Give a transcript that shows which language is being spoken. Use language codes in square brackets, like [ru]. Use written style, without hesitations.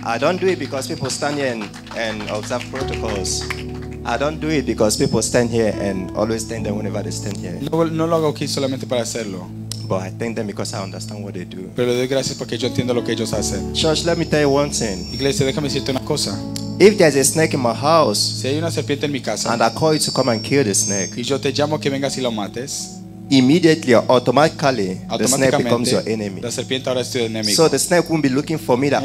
[en] I don't do it because people stand here and observe protocols. I don't do it because people stand here and always thank them whenever they stand here. [es] No lo hago aquí solamente para hacerlo. [en] But I thank them because I understand what they do. [es] Pero le doy gracias porque yo entiendo lo que ellos hacen. [en] Church, let me tell you one thing. [es] Iglesia, déjame decirte una cosa. [en] If there's a snake in my house, [es] si hay una serpiente en mi casa, [en] and I call you to come and kill the snake, [es] y yo te llamo que vengas y lo mates, [en] immediately or automatically, the snake becomes your enemy. [es] La serpiente ahora es tu enemigo. [en] So the snake won't be looking for me that